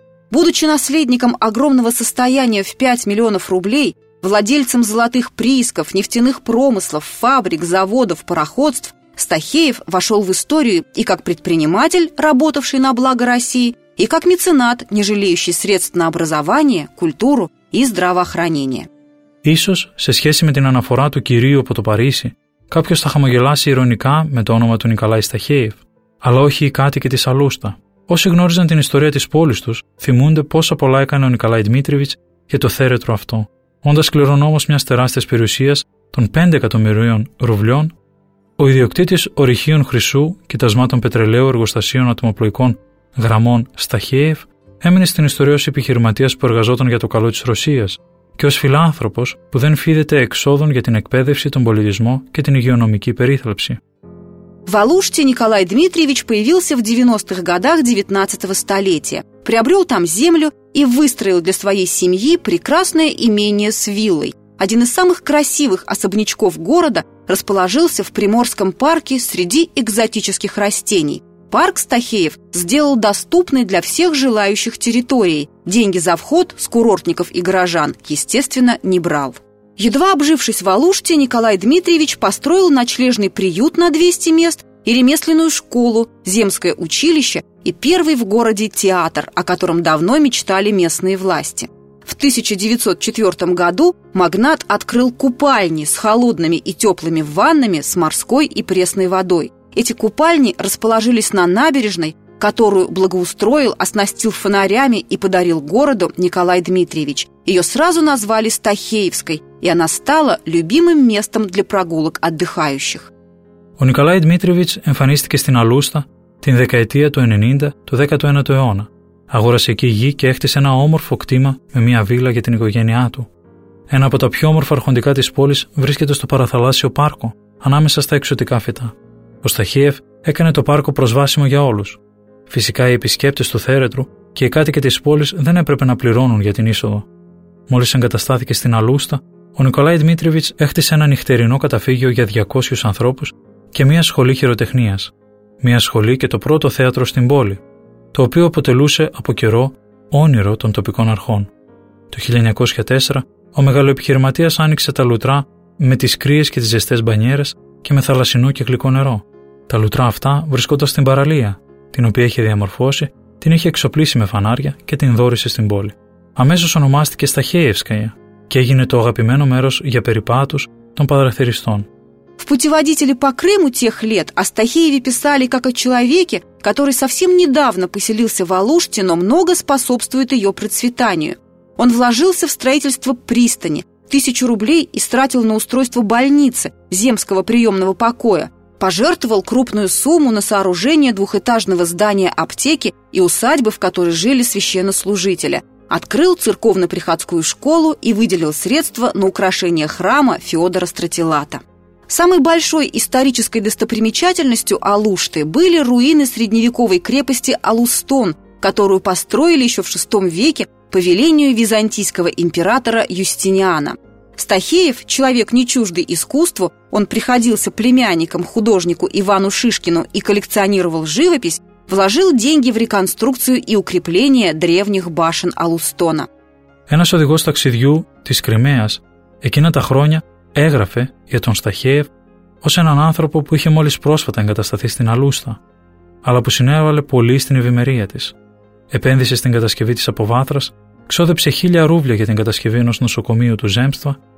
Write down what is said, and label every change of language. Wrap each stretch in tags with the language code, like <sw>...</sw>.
<ru>Будучи наследником огромного состояния в 5 миллионов рублей, владельцем золотых приисков, нефтяных промыслов, фабрик, заводов, пароходств, Стахеев вошел в историю и как предприниматель, работавший на благо России, и как меценат, не жалеющий средств на образование, культуру и здравоохранение.</ru> <el>Ίσως, σε σχέση με την αναφορά του κυρίου από το Παρίσι, κάποιος θα χαμογελάσει ειρωνικά με το όνομα του Νικολάη Στάχεφ, αλλά όχι οι κάτοικοι της Αλούστα. Όσοι γνώριζαν την ιστορία της πόλης τους, θυμούνται πόσα πολλά έκανε ο Νικολάη Δημήτριβιτς για το θέρετρο αυτό. Όντας κληρονόμος μιας τεράστιας περιουσίας των 5 εκατομμυρίων ρουβλιών, ο ιδιοκτήτης ορυχείων χρυσού, κοιτασμάτων πετρελαίου, εργοστασίων ατμοπλοϊκών γραμμών Στάχεφ, έμεινε στην ιστορία ως επιχειρηματίας που εργαζόταν για το καλό της Ρωσίας και ως φιλάνθρωπος που δεν φίδεται εξόδων για την εκπαίδευση, τον πολιτισμό και την υγειονομική περίθαλψη.</el> <ru>В Алуште Николай Дмитриевич появился в 90-х годах 19-го столетия, приобрел там землю и выстроил для своей семьи прекрасное имение с виллой. Один из самых красивых особнячков города расположился в Приморском парке среди экзотических растений. Парк Стахеев сделал доступной для всех желающих территорией. Деньги за вход с курортников и горожан, естественно, не брал. Едва обжившись в Алуште, Николай Дмитриевич построил ночлежный приют на 200 мест и ремесленную школу, земское училище и первый в городе театр, о котором давно мечтали местные власти. В 1904 году магнат открыл купальни с холодными и теплыми ваннами с морской и пресной водой. Эти купальни расположились на набережной, которую благоустроил, оснастил фонарями и подарил городу Николай Дмитриевич. Ее сразу назвали Стахеевской, и она стала любимым местом для прогулок отдыхающих.</ru> <el>У Николая Дмитриевич эмфанистике στην Αλούστα την δεκαετία του 90 του 19ου αιώνα. Αγόρασε εκεί γη και έκτισε ένα όμορφο κτήμα με μια βίλα για την οικογένειά του. Ένα από τα πιο όμορφα αρχοντικά της πόλης βρίσκεται στο παραθαλάσσιο πάρκο, ανάμεσα στα εξωτικά φυτά. Ο Στάχεφ έκανε το πάρκο προσβάσιμο για όλους. Φυσικά οι επισκέπτες του θέρετρου και οι κάτοικοι της πόλης δεν έπρεπε να πληρώνουν για την είσοδο. Μόλις εγκαταστάθηκε στην Αλούστα, ο Νικολάη Δημήτριβιτς έκτισε ένα νυχτερινό καταφύγιο για 200 ανθρώπους και μια σχολή χειροτεχνίας. Μια σχολή και το πρώτο θέατρο στην πόλη, το οποίο αποτελούσε από καιρό όνειρο των τοπικών αρχών. Το 1904, ο μεγαλοεπιχειρηματίας άνοιξε τα λουτρά με τις κρύες και τις ζεστές μπανιέρες και με θαλασσινό και γλυκό νερό. Τα λουτρά αυτά βρισκόταν στην παραλία, την οποία είχε διαμορφώσει, την είχε εξοπλίσει με φανάρια και την δόρισε στην πόλη. Αμέσως ονομάστηκε Στάχεφσκαια και έγινε το αγαπημένο μέρος για περιπάτους των παραθυριστών.</el> <ru>В путеводителе по Крыму тех лет о Стахееве писали как о человеке, который совсем недавно поселился в Алуште, но много способствует ее процветанию. Он вложился в строительство пристани, 1000 рублей истратил на устройство больницы, земского приемного покоя, пожертвовал крупную сумму на сооружение двухэтажного здания аптеки и усадьбы, в которой жили священнослужители, открыл церковно-приходскую школу и выделил средства на украшение храма Феодора Стратилата. Самой большой исторической достопримечательностью Алушты были руины средневековой крепости Алустон, которую построили еще в VI веке по велению византийского императора Юстиниана. Стахеев, человек не чуждый искусству, он приходился племянником художнику Ивану Шишкину и коллекционировал живопись, вложил деньги в реконструкцию и укрепление древних башен Алустона.</ru> <el>Ένας οδηγός ταξιδιού της Κρυμαίας εκείνα τα χρόνια έγραφε για τον Στάχεφ ως έναν άνθρωπο που είχε μόλις πρόσφατα εγκατασταθεί στην Αλούστα, αλλά που συνέβαλε πολύ στην ευημερία της. Επένδυσε στην κατασκευή της αποβάθρας, ξόδεψε 1000 ρούβλια για την κατασκευή ενός νοσοκομείου του Ζέμστα,</el>